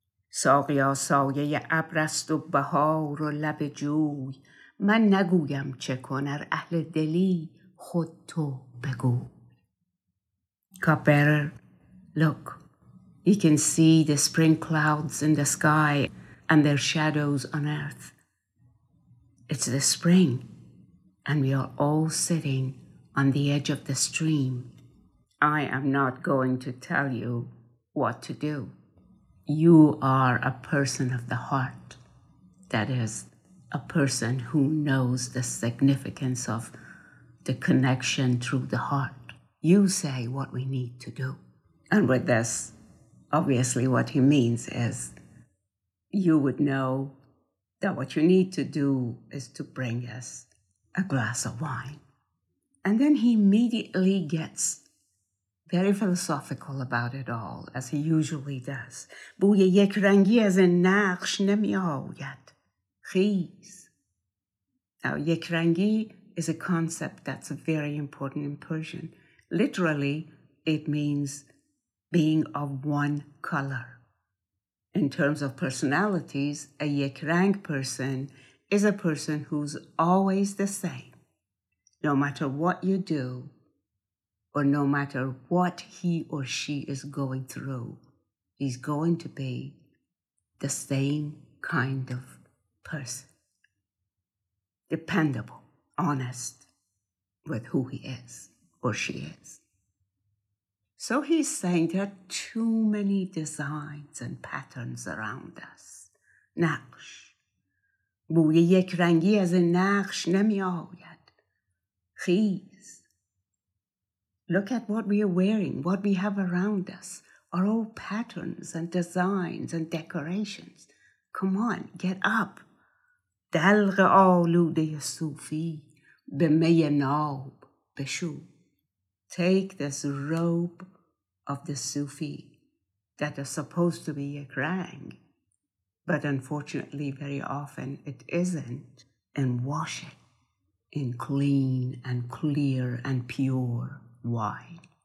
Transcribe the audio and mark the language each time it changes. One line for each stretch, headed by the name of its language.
Persian: ساقیا سایه ابر است و بهار و لب جوی. من نگویم چه کن ار اهل دلی خود تو بگو.
English: Cupbearer, look, you can see the spring clouds in the sky and their shadows on earth. It's the spring, and we are all sitting on the edge of the stream. I am not going to tell you what to do. You are a person of the heart, that is, a person who knows the significance of the connection through the heart. You say what we need to do. And with this, obviously what he means is you would know that what you need to do is to bring us a glass of wine. And then he immediately gets very philosophical about it all, as he usually does.
Persian: بوی یک رنگی از این نقش نمی آید. خیز.
English: Now, یک رنگی is a concept that's very important in Persian. Literally, it means being of one color. In terms of personalities, a yekrang person is a person who's always the same. No matter what you do, or no matter what he or she is going through, he's going to be the same kind of person. Dependable, honest with who he is or she is. So he's saying there are too many designs and patterns around us.
Persian: نقش. بوی یک رنگی از این نقش نمی آید. خیز.
English: Look at what we are wearing, what we have around us, are all patterns and designs and decorations. Come on, get up.
Persian: دلق آلوده صوفی به می ناب بشو.
English: Take this robe of the Sufi that is supposed to be a krang, but unfortunately very often it isn't, and wash it in clean and clear and pure wine.